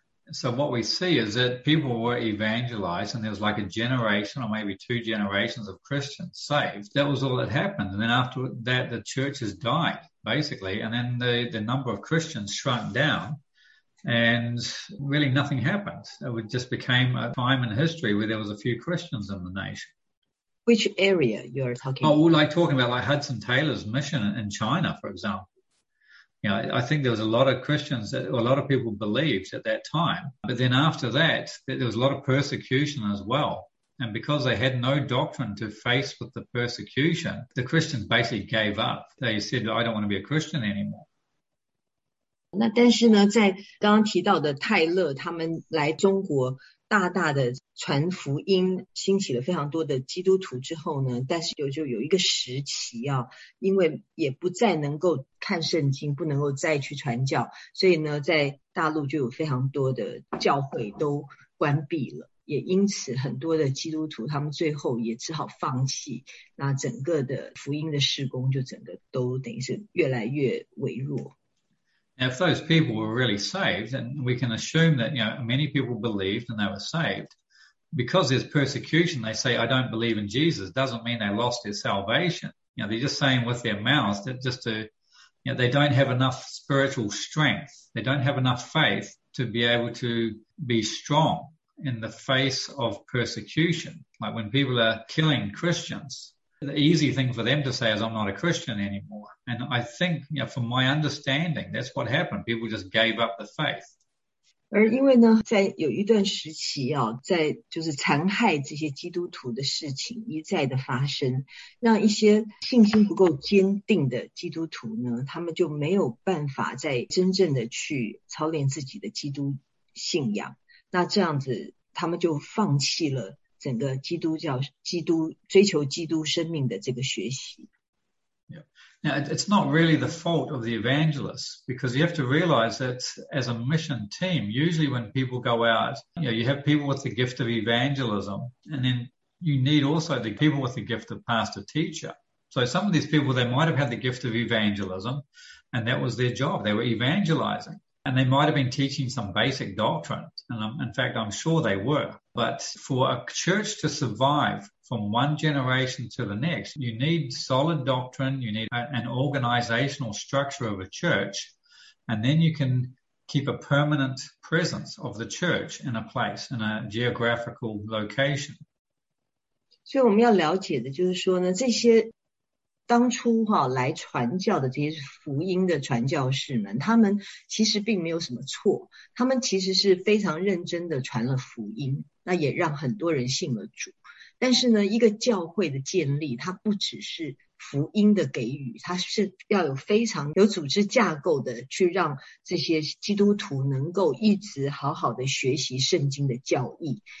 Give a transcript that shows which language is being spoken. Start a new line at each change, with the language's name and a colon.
English: So what we see is that people were evangelized, and there was like a generation or maybe two generations of Christians saved. That was all that happened. And then after that, the churches died, basically. And then the number of Christians shrunk down, and really nothing happened. It just became a time in history where there was a few Christians in the nation. Which area you're talking about? Oh, like talking about like Hudson Taylor's mission in China, for example. You know, I think there was a lot of Christians, that, a lot of people believed at that time. But then after that, there was a lot of persecution as well. And because they had no doctrine to face with the persecution, the Christians basically gave up. They said, I don't want to be a Christian anymore.
Chinese: 那但是呢，在刚刚提到的泰勒他们来中国大大的传福音，兴起了非常多的基督徒之后呢，但是就有一个时期啊，因为也不再能够看圣经，不能够再去传教，所以呢，在大陆就有非常多的教会都关闭了，也因此很多的基督徒他们最后也只好放弃，那整个的福音的事工就整个都等于是越来越微弱。
English: If those people were really saved, and we can assume that, you know, many people believed and they were saved, because there's persecution, they say, I don't believe in Jesus, doesn't mean they lost their salvation. You know, they're just saying with their mouths that just to, you know, they don't have enough spiritual strength. They don't have enough faith to be able to be strong in the face of persecution. Like when people are killing Christians,The easy thing for them to say is, I'm not a Christian anymore. And I think, you know, from my understanding, that's what happened. People just gave up the faith.
Chinese: 而因为呢，在有一段时期啊，在就是残害这些基督徒的事情一再的发生，让一些信心不够坚定的基督徒呢，他们就没有办法再真正的去操练自己的基督信仰。那这样子，他们就放弃了整个基督教基督追求基督生命的这个学习。
English: Yeah. Now, it's not really the fault of the evangelists, because you have to realize that as a mission team, usually when people go out, you know, you have people with the gift of evangelism, and then you need also the people with the gift of pastor teacher. So some of these people, they might have had the gift of evangelism, and that was their job. They were evangelizing. And they might have been teaching some basic doctrine. And in fact, I'm sure they were. But for a church to survive from one generation to the next, you need solid doctrine. You need an organizational structure of a church. And then you can keep a permanent presence of the church in a place, in a geographical location.
Chinese: 所以我们要了解的就是说呢，这些当初哈、啊、来传教的这些福音的传教士们，他们其实并没有什么错，他们其实是非常认真的传了福音，那也让很多人信了主。但是呢，一个教会的建立，它不只是福音的给予，它是要有非常有组织架构的，去让这些基督徒能够一直好好的学习圣经的教义。